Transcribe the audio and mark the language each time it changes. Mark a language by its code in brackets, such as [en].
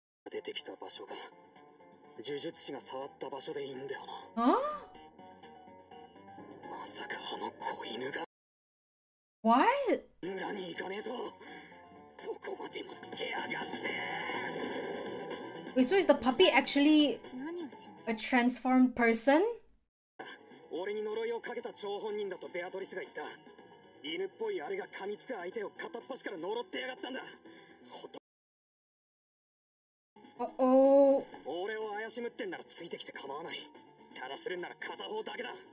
[ja] 出てきた場所が呪術師が触った場所でいいんだよな。あ？まさかあの子犬が。 [en] What? [ja] 村に行かねえと、どこまでも出やがって。 [en] Wait, so is the puppy actually a transformed person? [ja] 俺に呪いをかけた張本人だとベアトリスが言った。犬っぽいあれが噛みつく相手を片っ端から呪ってやがったんだ。俺を怪しむってんならついてきて構わない。ただするんなら片方だけだ。